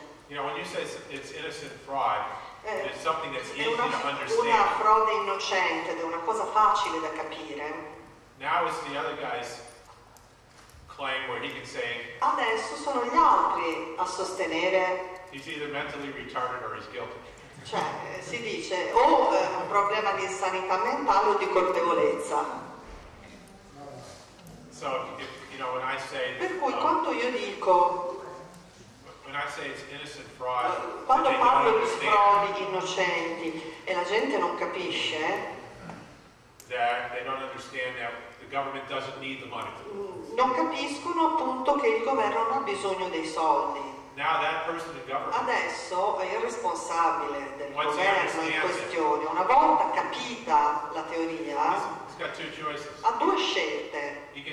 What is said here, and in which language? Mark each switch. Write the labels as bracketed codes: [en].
[en] you know, when you say it's innocent fraud, it's something that's easy to understand. [it] Una frode innocente è una cosa facile da capire. [en] Now it's the other guy's claim where he can say, [it] adesso sono gli altri a sostenere. [en] He's either mentally retarded or he's guilty. [it] Cioè, si dice o è un problema di sanità mentale o di colpevolezza. [en] So, if, you know, when I say that, [it] per cui quando io dico [en] when I say it's innocent fraud, [it] quando parlo di frodi innocenti e la gente non capisce, [en] that they don't understand that the government doesn't need the money. [it] Non capiscono appunto che il governo non ha bisogno dei soldi. [en] Now that person in government, [it] adesso è il responsabile del governo in questione. Una volta capita la teoria, ha due scelte.